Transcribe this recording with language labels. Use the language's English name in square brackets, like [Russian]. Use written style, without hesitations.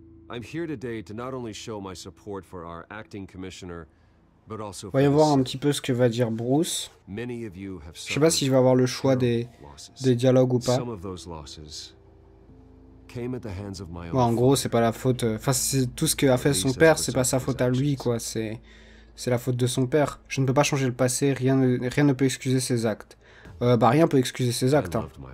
[English] I'm here today to not only show my support for our acting commissioner, but also. [French] Voyons voir un petit peu ce que va dire Bruce. [English] Many of you have. [French] Je sais pas si je vais avoir le choix des dialogues ou pas. [English] Some of those losses came at the hands of my own. [French] Ouais, en gros, c'est pas la faute. Enfin, c'est tout ce que a fait son père, c'est pas sa faute à lui, quoi. C'est la faute de son père. Je ne peux pas changer le passé. Rien ne peut excuser ses actes. Rien peut excuser ses actes. Hein.